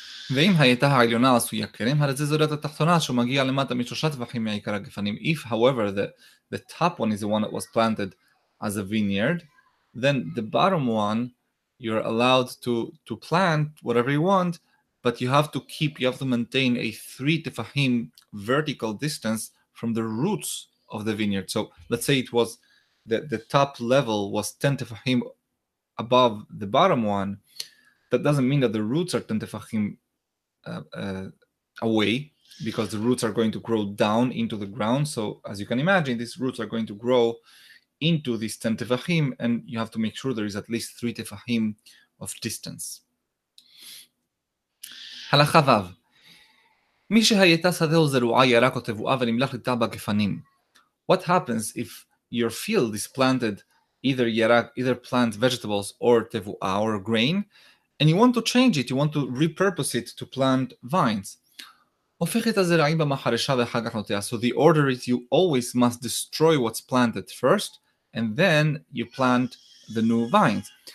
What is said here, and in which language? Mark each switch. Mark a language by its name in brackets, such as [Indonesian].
[Hebrew] ואם הייתה העליונה עשויה כרם, הרי זה זורת התחתונה שהוא מגיע למטה משלושה טווחים מהעיקר הגפנים. [English] If, however, the top one is the one that was planted as a vineyard, then the bottom one, you're allowed to plant whatever you want, but you have to maintain a three tefahim vertical distance from the roots of the vineyard. So let's say it was the top level was 10 tefahim above the bottom one. That doesn't mean that the roots are 10 tefahim away, because the roots are going to grow down into the ground. So as you can imagine, these roots are going to grow into this 10 tefahim, and you have to make sure there is at least three tefahim of distance. [Hebrew] הלכה ו, מי שהייתה שדה או זרועה ירק או תבואה ונמלך לטע בגפנים. [English] What happens if your field is planted either yarak, either plant vegetables or tevuah or grain, And you want to change it, you want to repurpose it to plant vines. So the order is you always must destroy what's planted first, and then you plant the new vines.